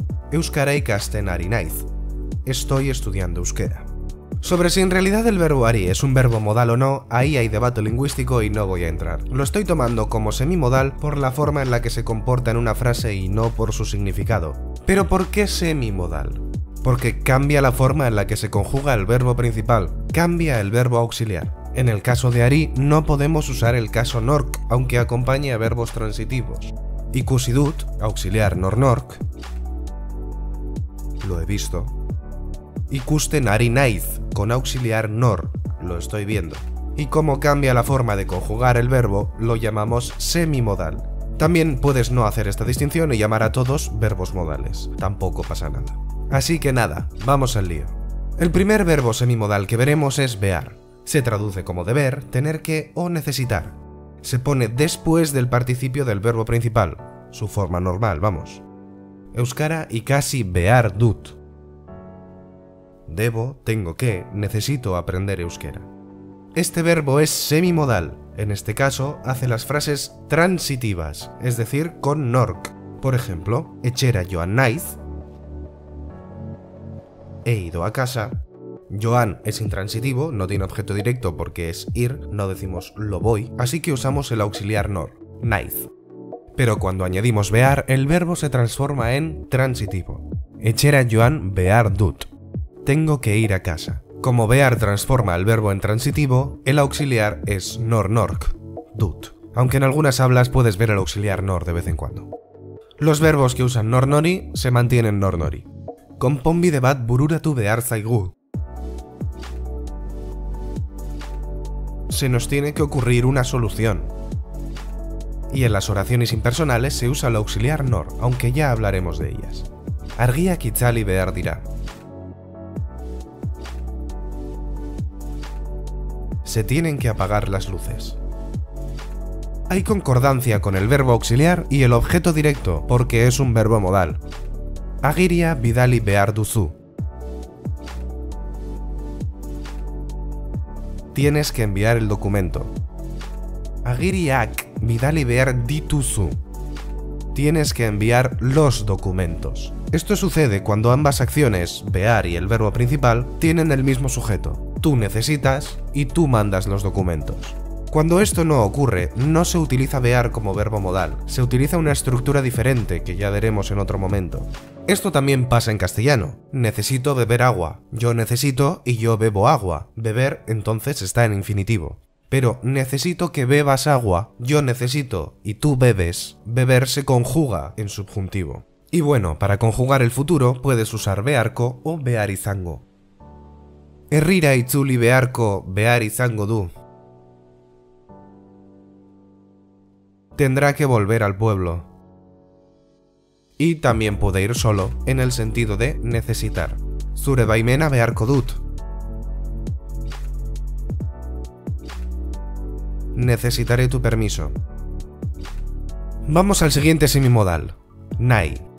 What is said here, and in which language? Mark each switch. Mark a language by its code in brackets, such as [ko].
[eu] Euskara ikasten ari naiz. [es] Estoy estudiando euskera. Sobre si en realidad el verbo harí es un verbo modal o no, ahí hay debate lingüístico y no voy a entrar. Lo estoy tomando como semimodal por la forma en la que se comporta en una frase y no por su significado. ¿Pero por qué semimodal? Porque cambia la forma en la que se conjuga el verbo principal, cambia el verbo auxiliar. En el caso de harí, no podemos usar el caso nork, aunque acompañe a verbos transitivos. [eu] Ikusi dut, [es] auxiliar nor-nork, lo he visto. [eu] Ikusten ari naiz, [es] con auxiliar nor, lo estoy viendo. Y como cambia la forma de conjugar el verbo, lo llamamos semimodal. También puedes no hacer esta distinción y llamar a todos verbos modales. Tampoco pasa nada. Así que nada, vamos al lío. El primer verbo semimodal que veremos es bear. Se traduce como deber, tener que o necesitar. Se pone después del participio del verbo principal, su forma normal, vamos. [eu] Euskara ikasi behar dut. [es] Debo, tengo que, necesito aprender euskera. Este verbo es semimodal. En este caso, hace las frases transitivas, es decir, con nork. Por ejemplo, [eu] etxera joan naiz. [es] He ido a casa. Joan es intransitivo, no tiene objeto directo porque es ir, no decimos lo voy, así que usamos el auxiliar nor, naiz. Pero cuando añadimos behar, el verbo se transforma en transitivo. [eu] Etxera joan behar dut. [es] Tengo que ir a casa. Como behar transforma el verbo en transitivo, el auxiliar es nor nork, dut. Aunque en algunas hablas puedes ver el auxiliar nor de vez en cuando. Los verbos que usan nor nori se mantienen nor nori. [eu] Konponbide bat bururatu behar zaigu. [es] Se nos tiene que ocurrir una solución. Y en las oraciones impersonales se usa el auxiliar nor, aunque ya hablaremos de ellas. [eu] Argiak itzali behar dira. [es] Se tienen que apagar las luces. Hay concordancia con el verbo auxiliar y el objeto directo, porque es un verbo modal. [eu] Agiria bidali behar duzu. [es] Tienes que enviar el documento. [eu] Agiriak bidali behar dituzu. [es] Tienes que enviar los documentos. Esto sucede cuando ambas acciones, behar y el verbo principal, tienen el mismo sujeto. Tú necesitas y tú mandas los documentos. Cuando esto no ocurre, no se utiliza behar como verbo modal. Se utiliza una estructura diferente que ya veremos en otro momento. Esto también pasa en castellano. Necesito beber agua. Yo necesito y yo bebo agua. Beber, entonces, está en infinitivo. Pero necesito que bebas agua, yo necesito y tú bebes, beber se conjuga en subjuntivo. Y bueno, para conjugar el futuro, puedes usar beharko o behar izango. [eu] Herrira itzuli beharko behar izango du. [es] Tendrá que volver al pueblo. Y también puede ir solo, en el sentido de necesitar. [eu] Zure baimena beharko dut. [es] Necesitaré tu permiso. Vamos al siguiente semimodal. Nahi.